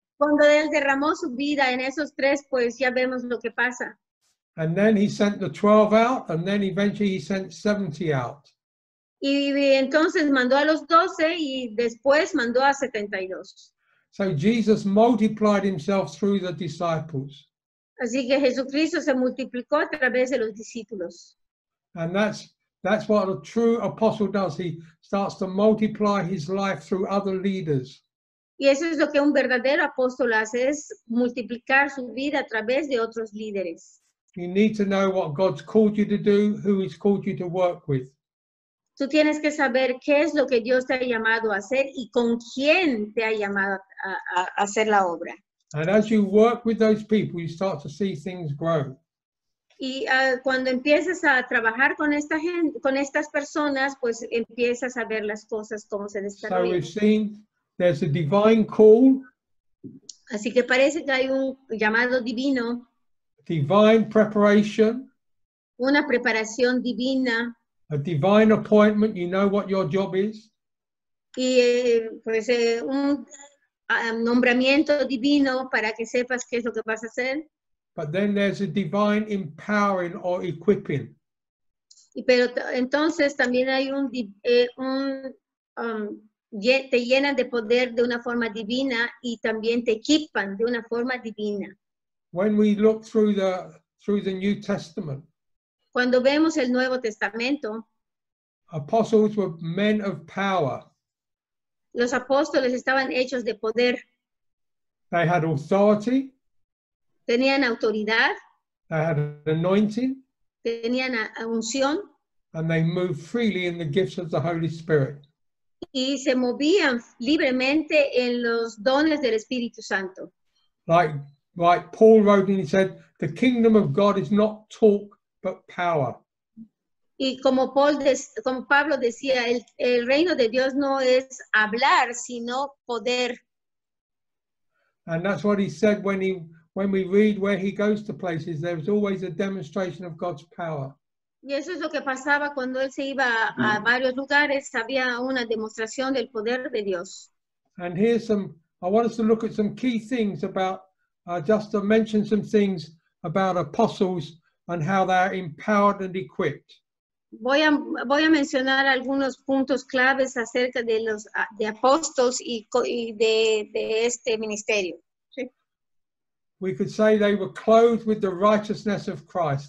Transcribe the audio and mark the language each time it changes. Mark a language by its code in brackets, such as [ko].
[es] Cuando él derramó su vida en esos 3, pues ya vemos lo que pasa. [en] And then he sent the 12 out, and then eventually he sent 70 out. [es] Y entonces mandó a los 12 y después mandó a 72. [en] So Jesus multiplied himself through the disciples. [es] Así que Jesucristo se multiplicó a través de los discípulos. [en] And that's what a true apostle does. He starts to multiply his life through other leaders. [es] Y eso es lo que un verdadero apóstol hace, es multiplicar su vida a través de otros líderes. [en] You need to know what God's called you to do, who He's called you to work with. [es] Tú tienes que saber qué es lo que Dios te ha llamado a hacer y con quién te ha llamado a hacer la obra. [en] And as you work with those people, you start to see things grow. [es] Y cuando empiezas a trabajar con esta gente, con estas personas, pues empiezas a ver las cosas como se desarrollan. [en] So we've seen there's a divine call. [es] Así que parece que hay un llamado divino. [en] Divine preparation. [es] Una preparación divina. [en] A divine appointment, you know what your job is. [es] Y pues un nombramiento divino para que sepas qué es lo que vas a hacer. [en] But then there's a divine empowering or equipping. [es] Y pero entonces también hay te llenan de poder de una forma divina y también te equipan de una forma divina. [en] When we look through the New Testament. [es] Cuando vemos el Nuevo Testamento. [en] Apostles were men of power. [es] Los apóstoles estaban hechos de poder. [en] They had authority. [es] Tenían autoridad. [en] They had anointing. [es] Tenían unción. [en] And they moved freely in the gifts of the Holy Spirit. [es] Y se movían libremente en los dones del Espíritu Santo. [en] Like Paul wrote and he said, the kingdom of God is not talk, but power. [es] Y como Pablo decía, el reino de Dios no es hablar, sino poder. [en] And that's what he said when we read where he goes to places, there's always a demonstration of God's power. [es] Y eso es lo que pasaba cuando él se iba a varios lugares, había una demostración del poder de Dios. [en] And here's I want us to look at some key things about, just to mention some things about apostles and how they are empowered and equipped. [es] Voy a mencionar algunos puntos claves acerca de los de apóstoles y de este ministerio. [en] We could say they were clothed with the righteousness of Christ.